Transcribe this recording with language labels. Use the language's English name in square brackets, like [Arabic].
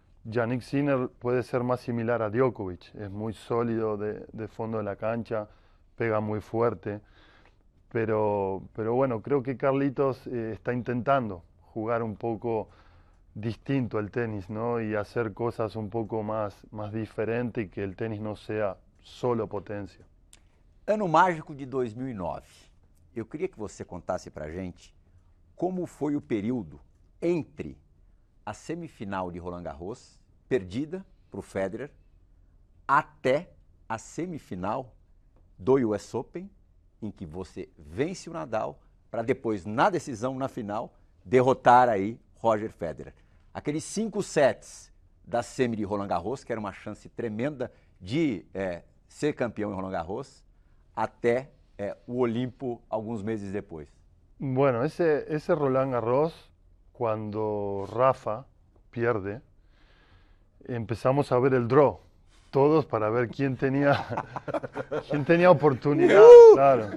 [Spanish] Jannik Sinner puede ser más similar a Djokovic. Es muy sólido de fondo de la cancha, pega muy fuerte. Pero bueno, creo que Carlitos está intentando jugar un poco distinto al tenis, ¿no? Y hacer cosas un poco más diferente y que el tenis no sea solo potencia. [Portuguese] Ano mágico de 2009. Eu queria que você contasse para a gente como foi o período entre a semifinal de Roland Garros, perdida para o Federer, até a semifinal do US Open, em que você vence o Nadal, para depois, na decisão, na final, derrotar aí Roger Federer. Aqueles 5 sets da semi de Roland Garros, que era uma chance tremenda de ser campeão em Roland Garros, até o Olimpo, alguns meses depois. [Spanish] Bueno, ese Roland Garros, [Portuguese] quando Rafa perde, [Spanish] empezamos a ver el draw, todos para ver quién tenía oportunidad, claro.